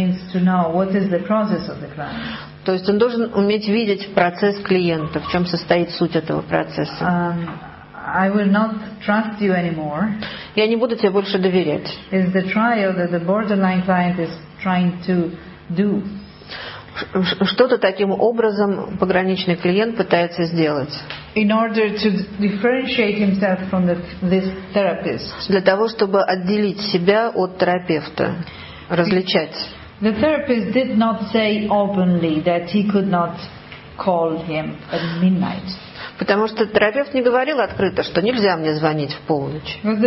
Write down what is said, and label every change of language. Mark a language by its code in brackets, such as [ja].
[ru] То есть он должен уметь видеть процесс клиента, в чем состоит суть этого процесса. [en] I will not trust you anymore. [ru] Я не буду тебе больше доверять. [en] Is the trial that the borderline client is trying to do? [ru] Что-то таким образом пограничный клиент пытается сделать. [en] In order to differentiate himself from this therapist. [ru] Для того, чтобы отделить себя от терапевта, различать. [en] The therapist did not say openly that he could not call him at midnight. [ru] Потому что терапевт не говорил открыто, что нельзя мне звонить в полночь.